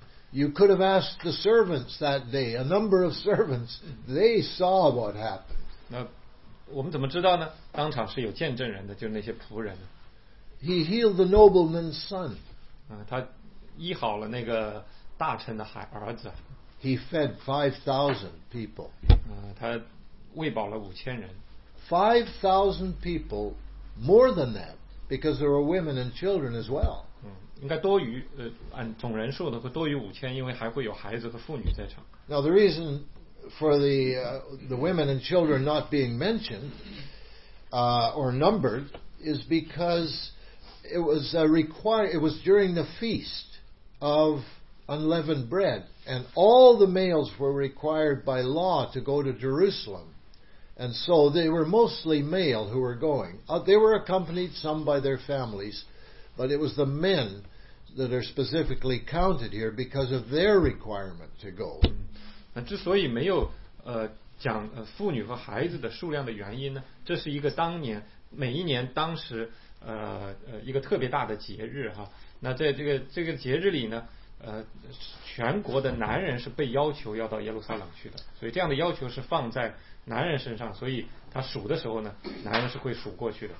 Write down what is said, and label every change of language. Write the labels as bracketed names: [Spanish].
[English] You could have asked the servants that day. A number of servants, they saw what happened. [Chinese] 那我们怎么知道呢？当场是有见证人的，就是那些仆人。 [English] He healed the nobleman's son. [Chinese] 他医好了那个大臣的儿子。 [English] He fed 5,000 people. [Chinese] 他喂饱了五千人。 [English] 5,000 people, more than that, because there were women and children as well. [Chinese] 应该多于按总人数的会多于五千，因为还会有孩子和妇女在场。 [English] Now the reason for the women and children not being mentioned or numbered is because it was required. It was during the feast of unleavened bread, and all the males were required by law to go to Jerusalem. And so they were mostly male who were going. They were accompanied some by their families, but it was the men that are specifically counted here because of their requirement to go. [Chinese] 那之所以没有讲妇女和孩子的数量的原因呢，这是一个当年每一年当时一个特别大的节日哈。那在这个节日里呢，全国的男人是被要求要到耶路撒冷去的，所以这样的要求是放在男人身上，所以他数的时候呢，男人是会数过去的。